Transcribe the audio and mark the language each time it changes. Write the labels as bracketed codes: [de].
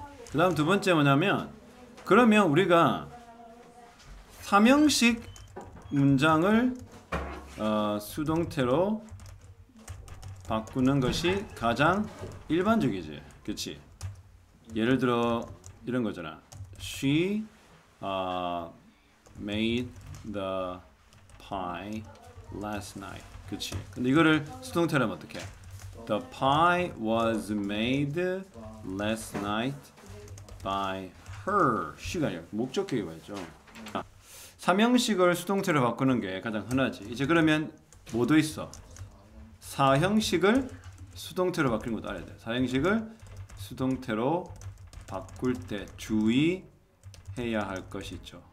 [ko] 그 다음 두 번째 뭐냐면, 그러면 우리가 삼형식 문장을 수동태로 바꾸는 것이 가장 일반적이지. 그치? 예를 들어 이런 거잖아. [en] She made the pie last night. [ko] 그치? 근데 이거를 수동태로 하면 어떡해? [en] The pie was made last night by her. [ko] 시간이야. 목적격이 맞죠? 삼형식을 수동태로 바꾸는 게 가장 흔하지. 이제 그러면 뭐도 있어? 사형식을 수동태로 바뀌는 것도 알아야 돼. 사형식을 수동태로 바꿀 때 주의해야 할 것이 있죠.